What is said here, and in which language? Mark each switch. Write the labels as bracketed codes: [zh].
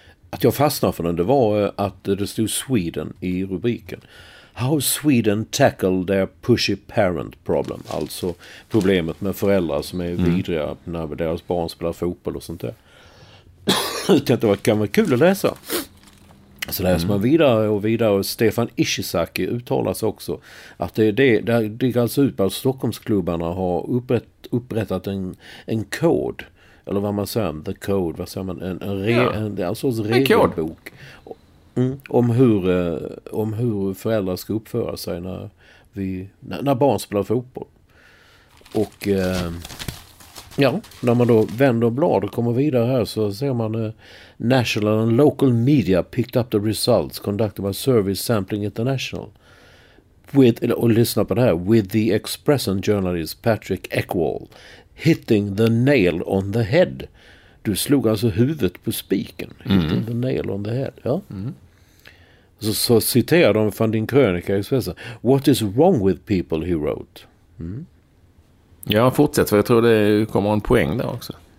[sv] Att jag fastnade för den, det var att det stod Sweden i rubriken. [en] How Sweden tackle their pushy parent problem. [sv] Alltså problemet med föräldrar som är vidriga när deras barn spelar fotboll och sånt där. Jag tänkte att det kan vara kul att läsa. Så läser man vidare och vidare. Stefan Ishizaki uttalas också. Att det går alltså ut på att Stockholmsklubbarna har upprättat en kod. Eller vad man säger, [en] the code, [sv] vad säger man, en regelbok om hur föräldrar ska uppföra sig när barn spelar fotboll. Och när man då vänder blad och kommer vidare här, så ser man [en] National and Local Media picked up the results conducted by Service Sampling International. [sv] Och lyssna på det här, [en] with the Express and Journalist Patrick Ekwall. Hitting the nail on the head. [sv] Du slog alltså huvudet på spiken. [en] Hitting the nail on the head. [sv] Ja. Mm. Så citerar de från din krönika i Expressen. [en] What is wrong with people, he wrote. [sv] Ja, fortsätt. För jag tror det kommer en poäng där också.